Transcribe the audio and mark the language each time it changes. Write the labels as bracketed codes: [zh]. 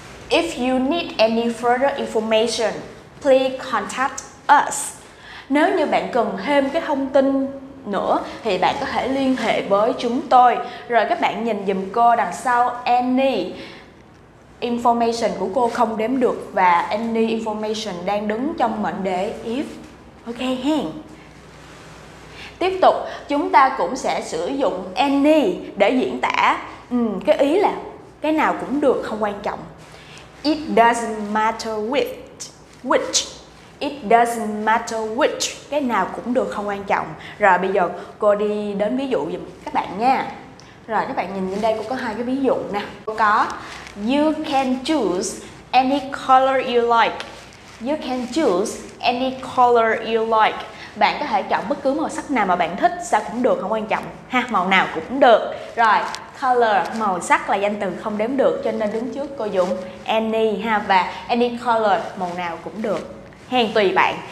[en] If you need any further information, please contact us. [vi] Nếu như bạn cần thêm cái thông tin nữa thì bạn có thể liên hệ với chúng tôi. Rồi các bạn nhìn giùm cô đằng sau any information của cô không đếm được và any information đang đứng trong mệnh đề if. Ok hen. Tiếp tục, chúng ta cũng sẽ sử dụng any để diễn tả cái ý là cái nào cũng được, không quan trọng. [en] It doesn't matter which. It doesn't matter which. [vi] Cái nào cũng được, không quan trọng. Rồi bây giờ cô đi đến ví dụ giùm các bạn nha. Rồi các bạn nhìn bên đây cô có hai cái ví dụ nè. Cô có [en] you can choose any color you like. You can choose any color you like. [vi] Bạn có thể chọn bất cứ màu sắc nào mà bạn thích, sao cũng được, không quan trọng ha, màu nào cũng được. Rồi, color, màu sắc là danh từ không đếm được, cho nên đứng trước cô dùng any ha. Và any color, màu nào cũng được, hèn tùy bạn.